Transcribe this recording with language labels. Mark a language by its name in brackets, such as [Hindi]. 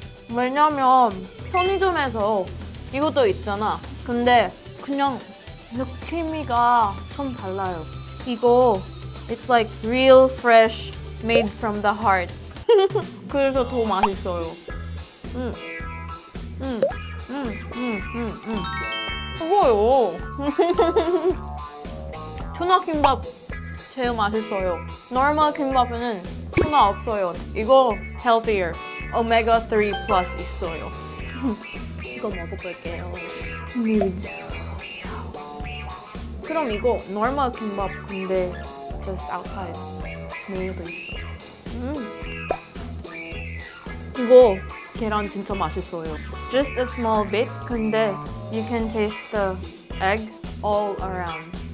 [Korean] 왜냐면 편의점에서 이것도 있잖아. 근데 그냥 느낌이가 좀 달라요. 이거 [English] it's like real fresh made from the heart. [Korean] 그래서 더 맛있어요. 좋아요. 투나 김밥 제일 맛있어요. 노멀 김밥에는 투나 없어요. 이거 [English] healthier. [Korean] 오메가 3 플러스 있어요. 이거 먹어볼게요. 그럼 이거 노멀 김밥 근데 [English] just outside. [Korean] 메이드. 이거 계란 진짜 맛있어요. [English] Just a small bit, [Korean] 근데 [English] you can taste the egg all around.